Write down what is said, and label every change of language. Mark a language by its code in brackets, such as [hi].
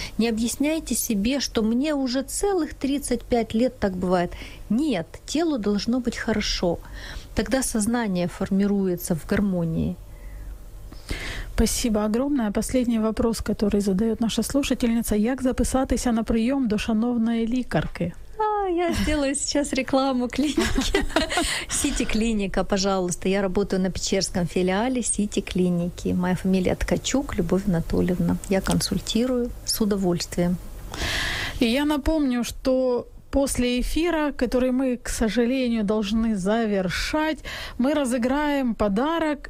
[ru] Не объясняйте себе, что мне уже целых 35 лет так бывает. Нет, телу должно быть хорошо. Тогда сознание формируется в гармонии. Спасибо огромное. Последний вопрос, который задает наша слушательница. [uk] Як записатися на прием до шановної лікарки? [ru] Я сделаю сейчас рекламу клиники. Сити клиника, пожалуйста. Я работаю на Печерском филиале Сити клиники. Моя фамилия Ткачук, Любовь Анатольевна. Я консультирую с удовольствием. И я напомню, что после эфира, который мы, к сожалению, должны завершать, мы разыграем подарок.